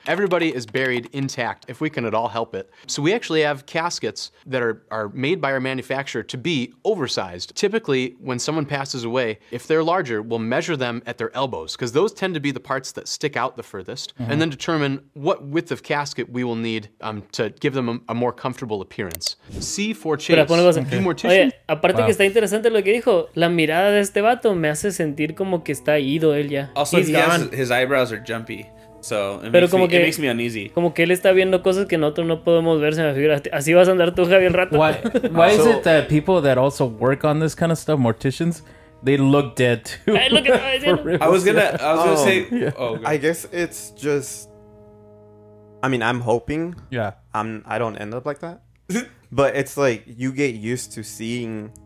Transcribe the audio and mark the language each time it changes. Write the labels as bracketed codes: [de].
[en] Everybody is buried intact, if we can at all help it. So we actually have caskets that are made by our manufacturer to be oversized. Typically, when someone passes away, if they're larger, we'll measure them at their elbows, because those tend to be the parts that stick out the furthest, mm-hmm, and then determine what width of casket we will need to give them a more comfortable appearance. See for Chase. [es] Pero ponemos, okay. Mortician. Oye, aparte, wow, que está interesante lo que dijo, la mirada de este vato me hace sentir como que está ido él ya. [en] Also, his eyebrows are jumpy, so it makes me uneasy. [es] Como que él está viendo cosas que nosotros no podemos ver, se me figura. Así vas a andar tú, Javi, el rato. [en] Why is it that people that also work on this kind of stuff, morticians, they look dead too? I was gonna say. Yeah. Oh, I guess it's just. I mean, I'm hoping. Yeah. I don't end up like that. But it's like you get used to seeing,